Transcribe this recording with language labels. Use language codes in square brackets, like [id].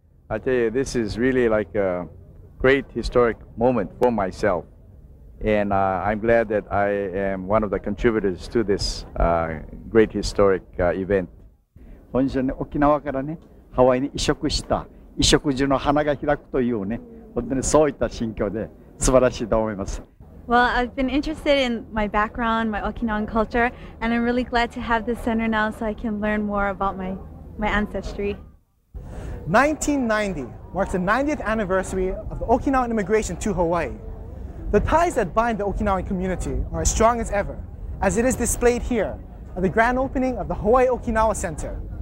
[en] I tell you, this is really like a great historic moment for myself. And I'm glad that I am one of the contributors to this great historic event. [ja] 本日ね、沖縄からね、ハワイに移植した移植樹の花が開くというね、本当にそういった心境で素晴らしいと思います。 [en] Well, I've been interested in my background, my Okinawan culture, and I'm really glad to have this center now so I can learn more about my ancestry. 1990 marks the 90th anniversary of the Okinawan immigration to Hawaii. The ties that bind the Okinawan community are as strong as ever, as it is displayed here at the grand opening of the Hawaii Okinawa Center.